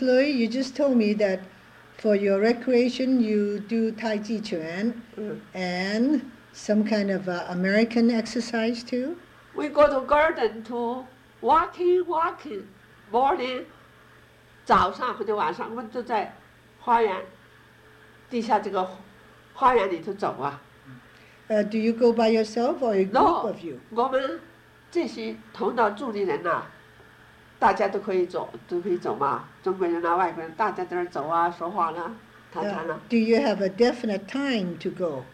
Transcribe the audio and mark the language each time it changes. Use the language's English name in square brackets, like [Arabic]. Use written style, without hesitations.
[English] Lui, you just told me that for your recreation, you do Tai Chi Chuan and some kind of American exercise too? We go to garden to walking, morning, [Chinese] 早上或者晚上, 我们都在花园底下这个花园里头走啊。 [English] Do you go by yourself or a group of you? [Chinese] No, 我们这些同道助理人啊, 大家都可以走嘛, 中国人啊, 外国人, 大家都在走啊, 说话呢, 谈谈啊。 [English] Do you have a definite time to go?